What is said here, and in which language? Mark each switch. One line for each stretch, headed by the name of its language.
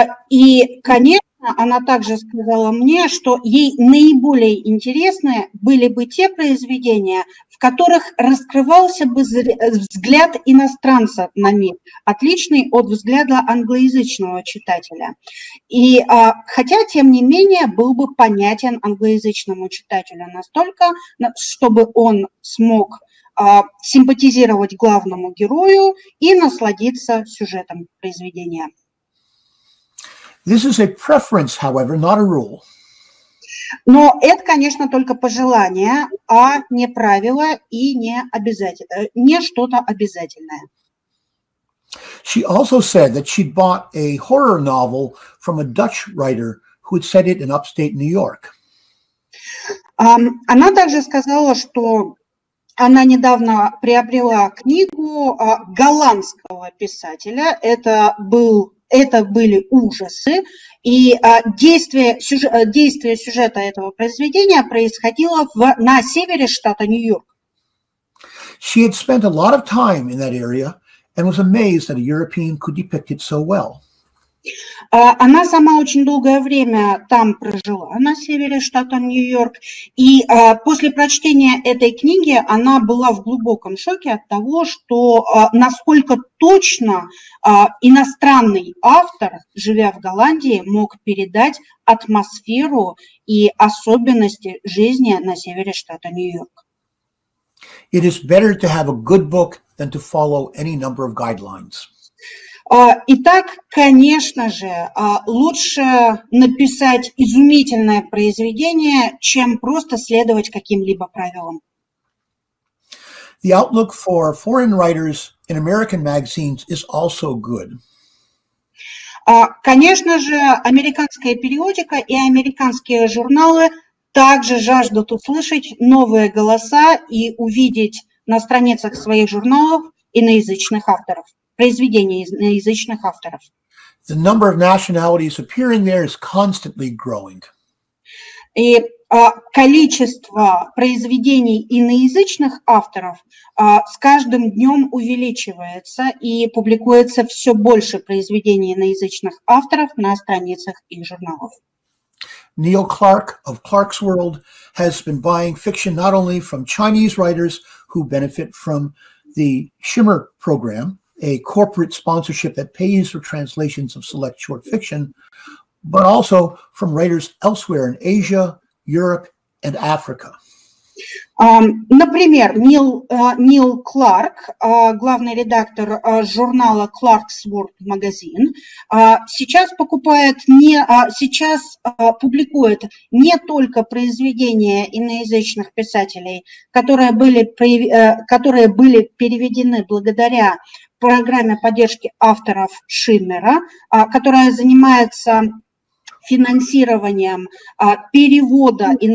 Russian: И, конечно, она также сказала мне, что ей наиболее интересны были бы те произведения, в которых раскрывался бы взгляд иностранца на мир, отличный от взгляда англоязычного читателя. И хотя, тем не менее, был бы понятен англоязычному читателю настолько, чтобы он смог симпатизировать главному герою и насладиться сюжетом произведения.
English: This is a preference, however, not a rule.
Russian: Но это, конечно, только пожелание, а не правило и не что-то обязательное.
English: She also said that she'd bought a horror novel from a Dutch writer who had set it in upstate New York.
Russian: Она также сказала, что она недавно приобрела книгу голландского писателя. Это были ужасы, и действие сюжета этого произведения происходило на севере штата Нью-Йорк.
English: She had spent a lot of time in that area and was amazed that a European could depict it so well.
Russian: Она сама очень долгое время там прожила, на севере штата Нью-Йорк, и после прочтения этой книги она была в глубоком шоке от того, что насколько точно иностранный автор, живя в Голландии, мог передать атмосферу и особенности жизни на севере штата Нью-Йорк.
English: It is better to have a good book than to follow any number of guidelines.
Russian: Итак, конечно же, лучше написать изумительное произведение, чем просто следовать каким-либо правилам.
English: The outlook for foreign writers in American magazines is also good.
Russian: Конечно же, американская периодика и американские журналы также жаждут услышать новые голоса и увидеть на страницах своих журналов иноязычных авторов.
English: The number of nationalities appearing there is constantly growing.
Russian: И количество произведений иноязычных авторов с каждым днем увеличивается, и публикуется все больше произведений иноязычных авторов на страницах их журналов.
English: Neil Clark of Clark's World has been buying fiction not only from Chinese writers who benefit from the Shimmer program, a corporate sponsorship that pays for translations of select short fiction, but also from writers elsewhere in Asia, Europe, and Africa.
Russian: Например, Нил Кларк, главный редактор журнала Clark's World Magazine, сейчас публикует не только произведения иноязычных писателей, которые были переведены благодаря программе поддержки авторов Шиммера, которая занимается финансированием перевода